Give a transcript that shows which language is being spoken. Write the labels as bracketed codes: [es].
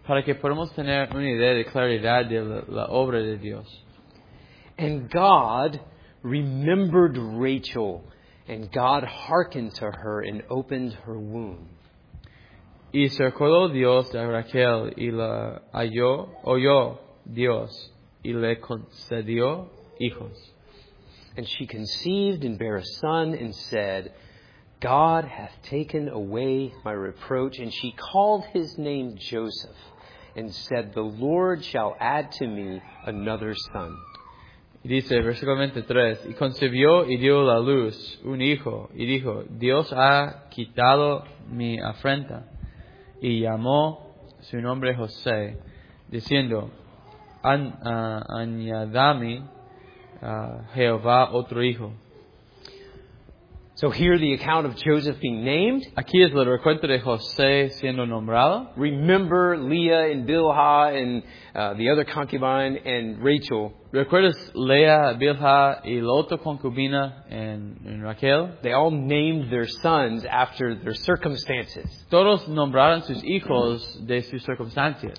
[es] Para que podamos tener una idea de claridad de la obra de Dios. [en] And God remembered Rachel, and God hearkened to her and opened her womb. [es] Y se acordó Dios de Raquel y la oyó Dios. Y le concedió hijos. [en] And she conceived and bare a son and said, God hath taken away my reproach. And she called his name Joseph and said, the Lord shall add to me another son. [es] Y dice, versículo 23, y concebió y dio la luz un hijo y dijo, Dios ha quitado mi afrenta. Y llamó su nombre José, diciendo, añadame Jehová otro hijo. [en] So here the account of Joseph being named. [es] Aquí es el recuento de José siendo nombrado. [en] Remember Leah and Bilhah and the other concubine and Rachel. [es] ¿Recuerdas Leah, Bilhah y la otra concubina and Raquel? [en] They all named their sons after their circumstances. [es] Todos nombraron sus hijos de sus circunstancias.